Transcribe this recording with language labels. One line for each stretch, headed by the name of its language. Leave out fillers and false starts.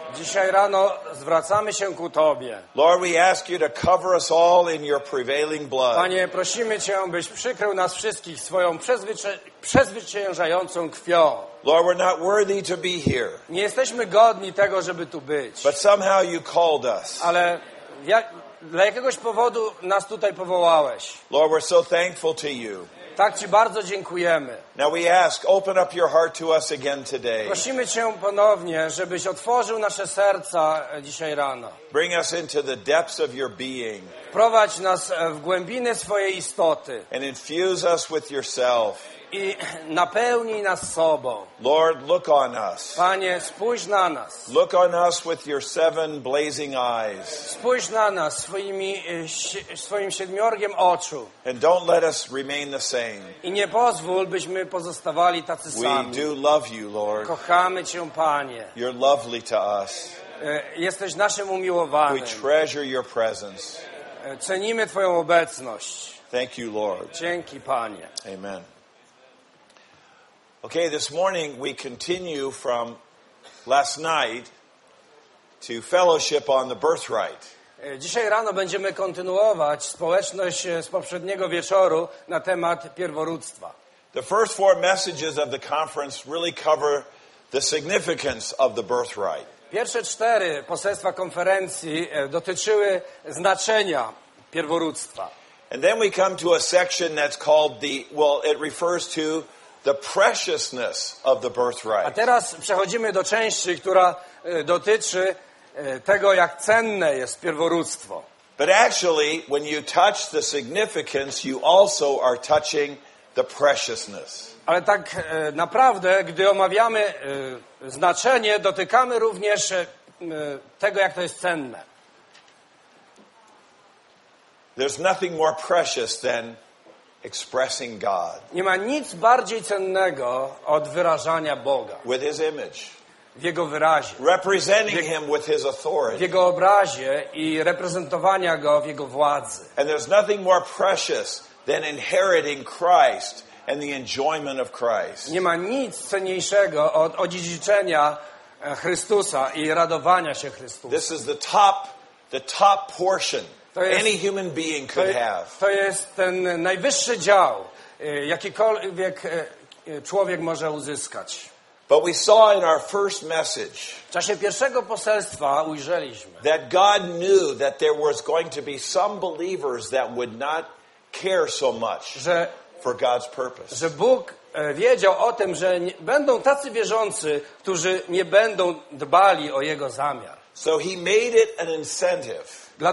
Polish: Dzisiaj rano zwracamy się ku Tobie.
English: Lord, we ask you to cover us all in your prevailing blood.
Polish: Panie, prosimy Cię, byś przykrył nas wszystkich swoją przezwyciężającą krwią.
English: Lord, we're not worthy to be here.
Polish: Nie jesteśmy godni tego, żeby tu być.
English: But somehow you called us.
Polish: Ale dla jakiegoś powodu nas tutaj powołałeś.
English: Lord, we're so thankful to you.
Polish: Tak Ci bardzo dziękujemy.
English: Now we ask, open up your heart to us again today.
Polish: Prosimy Cię ponownie, żebyś otworzył nasze serca dzisiaj rano.
English: Bring us into the depths of your being.
Polish: Wprowadź nas w głębiny swojej istoty.
English: And infuse us with yourself.
Polish: I napełnij nas sobą.
English: Lord, look on us.
Polish: Panie, spójrz na nas.
English: Look on us with your seven blazing eyes.
Polish: Spójrz na nas swoim siedmiorgiem oczu.
English: And don't let us remain the same.
Polish: I nie pozwól, byśmy pozostawali tacy sami.
English: We do love you, Lord.
Polish: Kochamy Cię, Panie.
English: You're lovely to us.
Polish: Jesteś naszym umiłowanym.
English: We treasure your presence.
Polish: Cenimy Twoją obecność.
English: Thank you, Lord.
Polish: Dzięki, Panie. Amen.
English: Okay, this morning we continue from last night to fellowship on the birthright.
Polish: Dzisiaj rano będziemy kontynuować społeczność z poprzedniego wieczoru na temat pierworództwa.
English: The first four messages of the conference really cover the significance of the birthright.
Polish: Pierwsze cztery poselstwa konferencji dotyczyły znaczenia pierworództwa.
English: And then we come to a section that's called it refers to the preciousness of the birthright.
Polish: A teraz przechodzimy do części, która dotyczy tego, jak cenne jest pierworództwo.
English: But actually, when you touch the significance, you also are touching the preciousness.
Polish: Ale tak naprawdę, gdy omawiamy znaczenie, dotykamy również tego, jak to jest cenne.
English: There's nothing more precious than expressing God.
Polish: Nie ma nic bardziej cennego od wyrażania Boga.
English: With his image.
Polish: W jego wyrazie.
English: Representing him with his authority.
Polish: W jego obrazie i reprezentowania go w jego władzy.
English: And there's nothing more precious than inheriting Christ and the enjoyment of Christ.
Polish: Nie ma nic cenniejszego od odziedziczenia Chrystusa i radowania się Chrystusem.
English: This is the top portion. Any human being could have.
Polish: To jest ten najwyższy dział, jakikolwiek człowiek może uzyskać.
English: But we saw in our first message.
Polish: W czasie pierwszego poselstwa ujrzeliśmy.
English: That God knew that there was going to be some believers that would not care so much for God's purpose.
Polish: Że Bóg wiedział o tym, że będą tacy wierzący, którzy nie będą dbali o jego zamiar.
English: So he made it an incentive.